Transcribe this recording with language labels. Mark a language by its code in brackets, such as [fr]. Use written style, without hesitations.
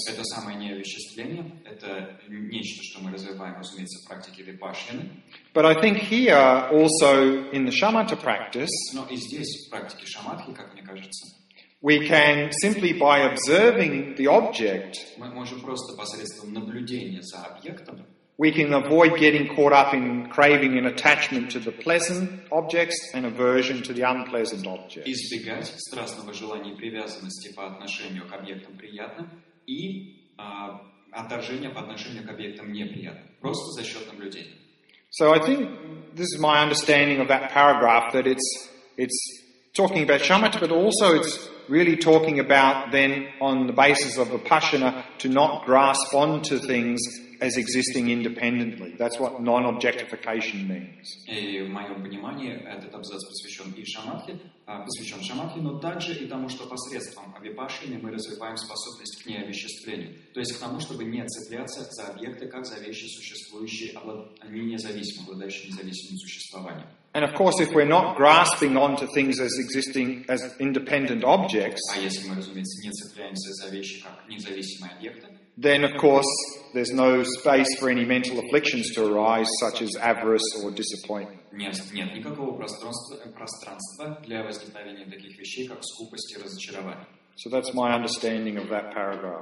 [ru] Это самое необесчисление. Это нечто, что мы развиваем, разумеется, в практике випашины. [en] But I think here, also in the shamatha practice, [ru] но и здесь, в практике шаматхи, как мне кажется, [en] we can simply by observing the object, [ru] мы можем просто посредством наблюдения за объектом, [en] we can avoid getting caught up in craving and attachment to the pleasant objects and aversion to the unpleasant objects. [ru] Избегать страстного желания и привязанности по отношению к объектам приятным и отторжения по отношению к объектам неприятным. Просто за счет наблюдения. [en] So I think this is my understanding of that paragraph, that it's talking about shamatha, but also it's really talking about then on the basis of vipassana to not grasp onto things as existing independently. That's what non-objectification means. [ru] И в моем понимании этот абзац посвящен шамадхе, но также и тому, что посредством випашины мы развиваем способность к необесчисленению, то есть к тому, чтобы не цепляться за объекты как за вещи, существующие, обладающие независимым существованием. [en] And of course, if we're not grasping onto things as existing as independent objects, [ru] а если мы, разумеется, не цепляемся за вещи как независимые объекты, [en] then of course there's no space for any mental afflictions to arise, such as avarice or disappointment. [ru] Нет никакого пространства для возникновения таких вещей, как скупость и разочарование. [en] So that's my understanding of that paragraph.